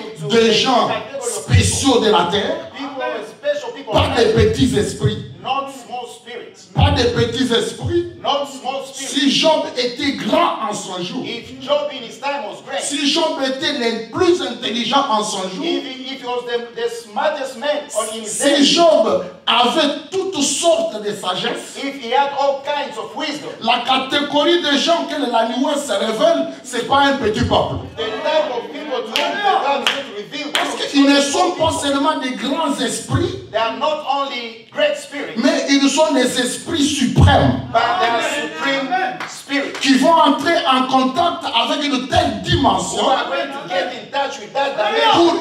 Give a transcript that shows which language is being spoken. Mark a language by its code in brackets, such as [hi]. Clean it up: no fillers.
[fr] Des gens spéciaux de la terre, pas des petits esprits. [en] Not small spirits. [fr] Pas des petits esprits. [en] Not small spirits. [fr] Si Job était grand en son jour. [en] If Job in his time was great. [fr] Si Job était le plus intelligent en son jour. [en] If he was the smartest man on his [fr] day. Si Job avait toutes sortes de sagesse. [en] If he had all kinds of wisdom. [fr] La catégorie de gens que la nuée se révèle, c'est pas un petit peuple. [en] The type of people to whom the God is revealed. [fr] Parce qu'ils ne sont pas seulement des grands esprits. [en] They are not only great spirits. [fr] Mais ils sont des esprits suprêmes. [en] But they are supreme spirits. [fr] Qui vont entrer en contact avec une telle dimension. [en] Who are going to get in touch with that dimension.